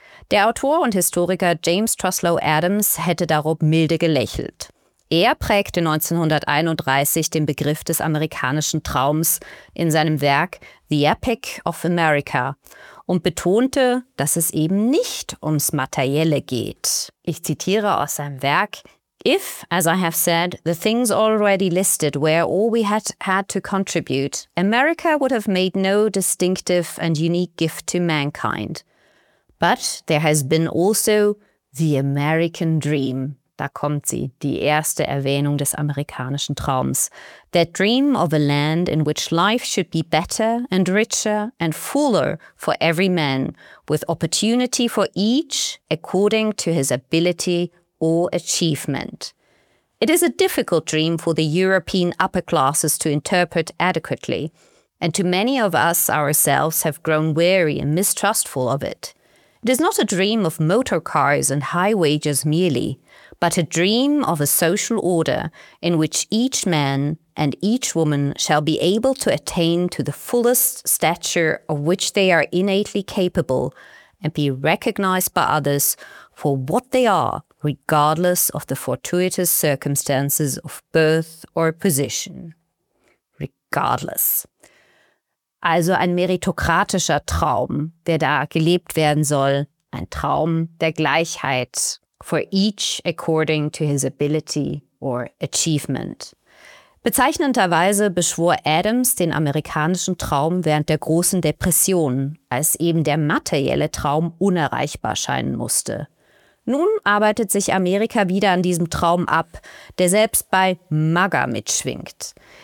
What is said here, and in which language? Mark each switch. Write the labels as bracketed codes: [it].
[de] Der Autor und Historiker James Truslow Adams hätte darob milde gelächelt. Er prägte 1931 den Begriff des amerikanischen Traums in seinem Werk The Epic of America und betonte, dass es eben nicht ums Materielle geht. Ich zitiere aus seinem Werk: [en] "If, as I have said, the things already listed were all we had had to contribute, America would have made no distinctive and unique gift to mankind. But there has been also the American dream." [de] Da kommt sie, die erste Erwähnung des amerikanischen Traums. [en] "That dream of a land in which life should be better and richer and fuller for every man, with opportunity for each according to his ability or achievement. It is a difficult dream for the European upper classes to interpret adequately, and too many of us ourselves have grown weary and mistrustful of it. It is not a dream of motor cars and high wages merely, but a dream of a social order in which each man and each woman shall be able to attain to the fullest stature of which they are innately capable and be recognized by others for what they are, regardless of the fortuitous circumstances of birth or position." Regardless. [de] Also ein meritokratischer Traum, der da gelebt werden soll. Ein Traum der Gleichheit. [en] For each according to his ability or achievement. [de] Bezeichnenderweise beschwor Adams den amerikanischen Traum während der großen Depression, als eben der materielle Traum unerreichbar scheinen musste. Nun arbeitet sich Amerika wieder an diesem Traum ab, der selbst bei MAGA mitschwingt.